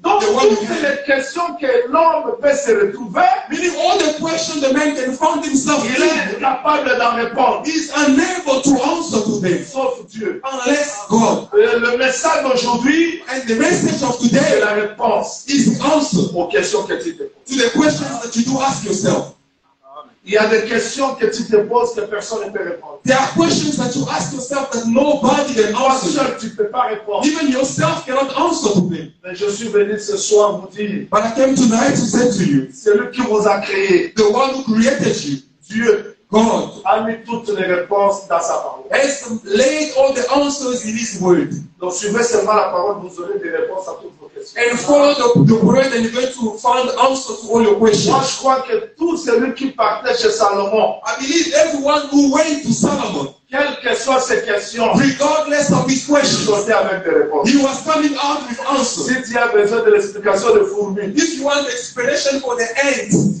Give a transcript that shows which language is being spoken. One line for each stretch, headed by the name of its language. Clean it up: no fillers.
French: Donc, toutes les questions que l'homme peut se retrouver,
English: meaning all the questions the man can find himself in,
French: est incapable d'en répondre.
English: He is unable to answer to them.
French: Sauf Dieu.
English: Unless God.
French: Le message d'aujourd'hui,
English: and the message of today,
French: la réponse,
English: is the answer
French: aux questions que tu te poses.
English: To the questions that you do ask yourself.
French: Il y a des questions que tu te poses que personne ne peut répondre.
English: There are questions that you ask yourself that nobody can answer.
French: Seul, tu ne peux pas répondre.
English: Even yourself cannot answer to them.
French: Mais je suis venu ce soir vous dire.
English: But I came tonight to say to you.
French: Celui qui vous a créé.
English: The one who created you.
French: Dieu.
English: God.
French: A mis toutes les réponses dans sa parole.
English: Has laid all the answers in his word.
French: Donc suivez seulement la parole, vous aurez des réponses à toutes vos questions.
English: And follow the word and you're going to find answers to all your questions.
French: Moi, je crois que tout celui qui partait chez Salomon,
English: I believe everyone who went to Solomon,
French: quelles que soient ses questions,
English: regardless of his questions,
French: sortait avec des réponses.
English: He was coming out with answers.
French: Si tu as besoin de l'explication de fourmi,
English: if you want explanation for the ants,